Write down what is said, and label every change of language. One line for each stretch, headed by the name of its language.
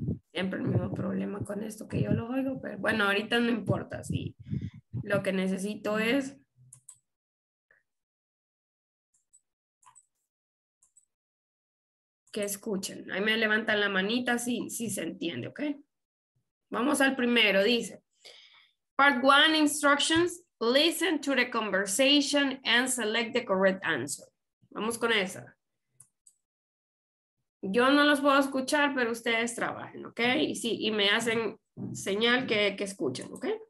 Spanish: Siempre el mismo problema con esto que yo lo oigo, pero bueno, ahorita no importa, sí. Lo que necesito es... que escuchen. Ahí me levantan la manita, sí se entiende, ¿ok? Vamos al primero, dice.
English: Part 1 instructions. Listen to the conversation and select the correct answer.
Spanish: Vamos con esa. Yo no los puedo escuchar, pero ustedes trabajen, ¿ok? Y sí, y me hacen señal que escuchen, ¿ok?